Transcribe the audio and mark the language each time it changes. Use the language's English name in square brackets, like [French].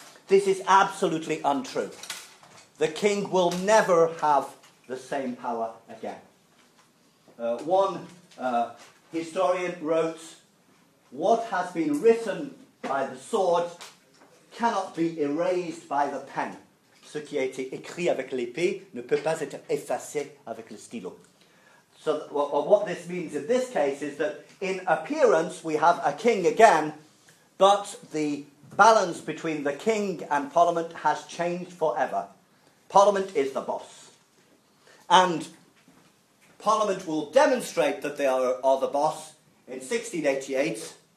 [English] This is absolutely untrue. The king will never have the same power again. One historian wrote, "What has been written by the sword cannot be erased by the pen." [French] Ce qui a été écrit avec l'épée ne peut pas être effacé avec le stylo. [English] So what this means in this case is that in appearance we have a king again, but the balance between the king and Parliament has changed forever. Parliament is the boss. And Parliament will demonstrate that they are the boss in 1688...